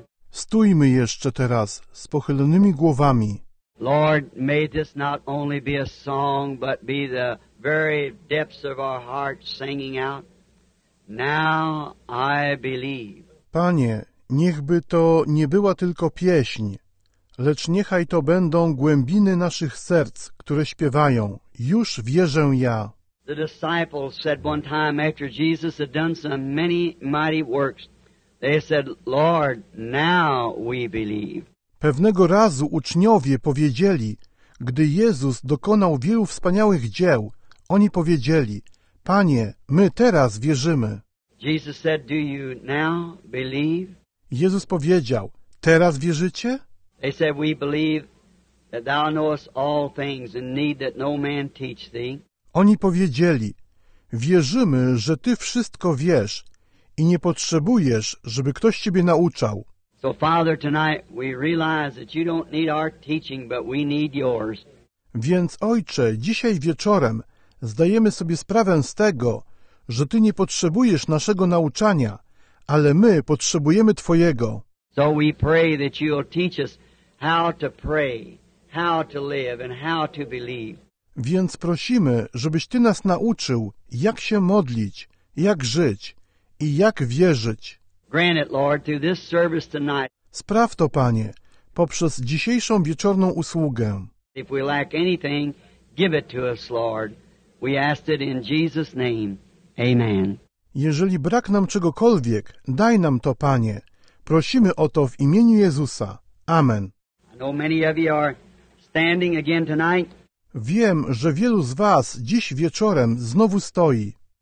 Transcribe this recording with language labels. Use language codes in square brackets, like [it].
[pl] Stójmy jeszcze teraz z pochylonymi głowami. [en] Lord, may this not only be a song, but be the very depths of our hearts singing out. Now I believe. [pl] Panie, niechby to nie była tylko pieśń, lecz niechaj to będą głębiny naszych serc, które śpiewają. Już wierzę ja. [en] The disciples said one time after Jesus had done some many mighty works, they said, Lord, now we believe. [pl] Pewnego razu uczniowie powiedzieli, gdy Jezus dokonał wielu wspaniałych dzieł, oni powiedzieli, Panie, my teraz wierzymy. [en] Jesus said, do you now believe? [pl] Jezus powiedział, teraz wierzycie? [en] They said, we believe that thou knowest all things and need that no man teach thee. [pl] Oni powiedzieli, wierzymy, że Ty wszystko wiesz i nie potrzebujesz, żeby ktoś Ciebie nauczał. [en] So, Father, tonight we realize that you don't need our teaching, but we need yours. [pl] Więc, Ojcze, dzisiaj wieczorem zdajemy sobie sprawę z tego, że Ty nie potrzebujesz naszego nauczania, ale my potrzebujemy Twojego. [en] So we pray that you'll teach us how to pray, how to live and how to believe. [pl] Więc prosimy, żebyś Ty nas nauczył, jak się modlić, jak żyć i jak wierzyć. [en] Grant it, Lord, through this service tonight. [pl] Spraw to, Panie, poprzez dzisiejszą wieczorną usługę. [en] If we lack anything, give it to us, Lord. We ask it in Jesus' name. Amen. [pl] Jeżeli brak nam czegokolwiek, daj nam to, Panie. Prosimy o to w imieniu Jezusa. Amen. [en] I know many of you are standing again tonight. [pl] Wiem, że wielu z was dziś wieczorem znowu stoi.